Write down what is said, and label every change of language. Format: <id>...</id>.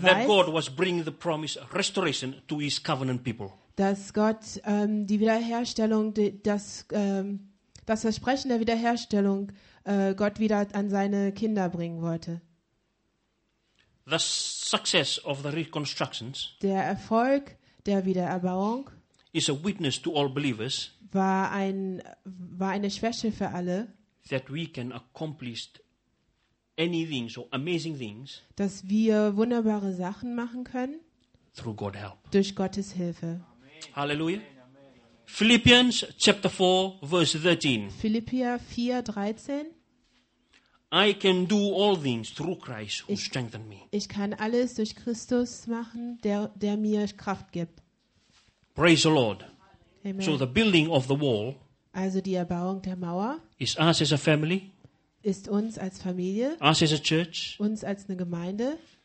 <en>that God was bringing the promise restoration to His covenant people.</en> <de>Dass Gott die Wiederherstellung, das Versprechen der Wiederherstellung, Gott wieder an seine Kinder bringen wollte.</de> <en>The success of the reconstructions,</en> <de>der Erfolg der Wiedererbauung,</de> <en>is a witness to all believers,</en> <de>war eine Schwäche für alle,</de> <en>that we can accomplish anything, so amazing things,</en> <de>dass wir wunderbare Sachen machen können,</de> <en>through God help,</en> <de>durch Gottes Hilfe.</de> <en>Hallelujah. Philippians chapter 4 verse 13. Philippians 4:13. I can do all things through Christ who strengthened me.</en> <de>Ich kann alles durch Christus machen, der mir Kraft gibt.</de> <en>Praise the Lord. Amen. So the building of the wall,</en> <de>also die Erbauung der Mauer,</de> <en>is us as a family,</en> <de>ist uns als Familie,</de> <en>us as a church,</en> <de>uns als eine Gemeinde,</de>